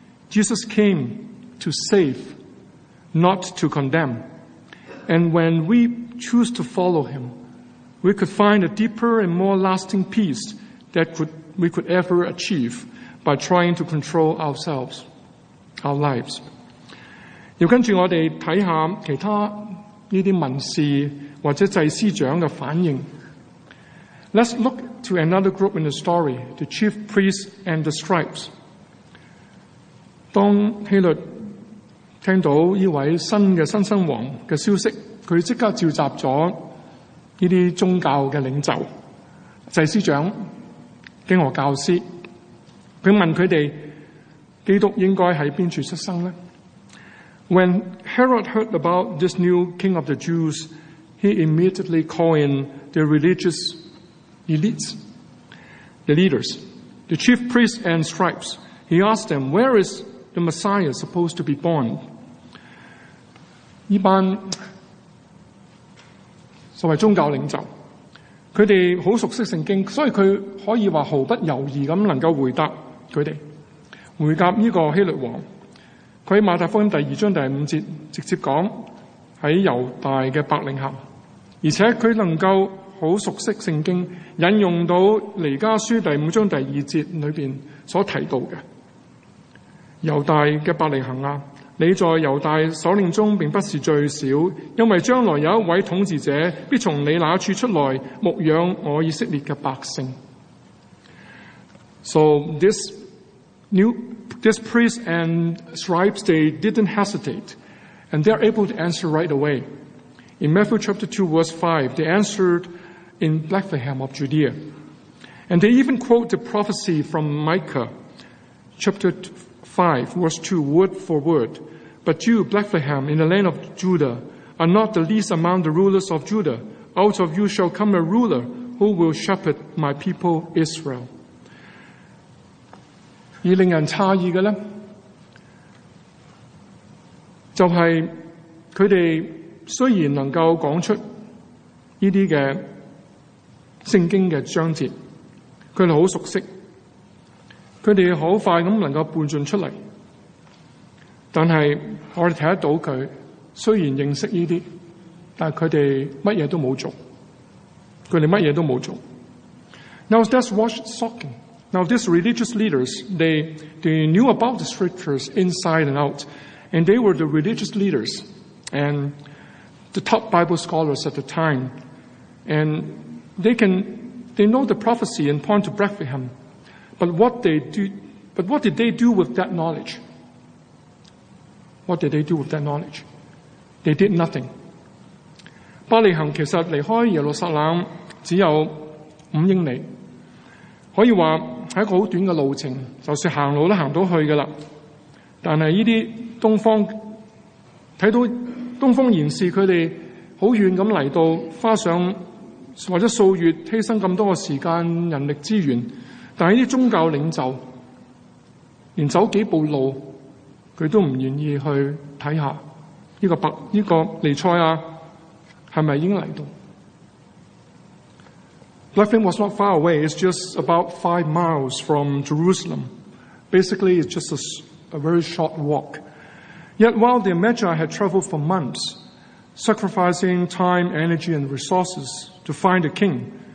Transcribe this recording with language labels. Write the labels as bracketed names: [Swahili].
[English] Jesus came to save, not to condemn. And when we choose to follow him, we could find a deeper and more lasting peace that we could ever achieve by trying to control ourselves, our lives. [Chinese] 要跟着我们看看其他这些文士或者祭司长的反应。 [English] Let's look to another group in the story, the chief priests and the scribes. [Chinese] 当希律听到这位新的新生王的消息，他即刻召集了这些宗教的领袖、祭司长、经和教师，他问他们基督应该在哪处出生呢？ [English] When Herod heard about this new king of the Jews, he immediately called in the religious elites, the leaders, the chief priests and scribes. He asked them, where is the Messiah supposed to be born? [Chinese] 一般作为宗教领袖，他们很熟悉圣经，所以他可以说毫不犹豫地能够回答他们，回答这个希律王。他在马太福音第二章第五节直接讲在犹大的伯利恒，而且他能够很熟悉圣经，引用到尼加书第五章第二节里面所提到的，犹大的伯利恒啊，你在犹大首领中并不是最少，因为将来有一位统治者必从你那处出来牧养我以色列的百姓。 [English] So this priest and scribes, they didn't hesitate, and they're able to answer right away. In Matthew chapter 2 verse 5, they answered in Bethlehem of Judea. And they even quote the prophecy from Micah chapter 5 verse 2 word for word. But you, Bethlehem, in the land of Judah, are not the least among the rulers of Judah. Out of you shall come a ruler who will shepherd my people Israel. [Chinese] 而令人诧异的呢，就是他们虽然能够讲出这些的圣经的章节，他们很熟悉，他们很快地能够伴进出来，但是我们看得到他虽然认识这些，但他们什么都没有做，他们什么都没有做。 [English] Now that's what's shocking. Now these religious leaders, they knew about the scriptures inside and out, and they were the religious leaders and the top Bible scholars at the time, and they know the prophecy and point to Bethlehem. But what did they do with that knowledge? What did they do with that knowledge? They did nothing. [Chinese] 伯利恒其实离开耶路撒冷只有五英里，可以说是一个很短的路程，就算行路都行到去的了。但是这些东方看到东方贤士他们很远地来到，花上或者数月牺牲这么多的时间人力资源，但是这些宗教领袖连走几步路他都不愿意去看看这个尼赛亚是不是已经来到。 [English] Bethlehem was not far away, it's just about 5 miles from Jerusalem. Basically, it's just a very short walk. Yet while the Magi had traveled for months, sacrificing time, energy, and resources to find a king,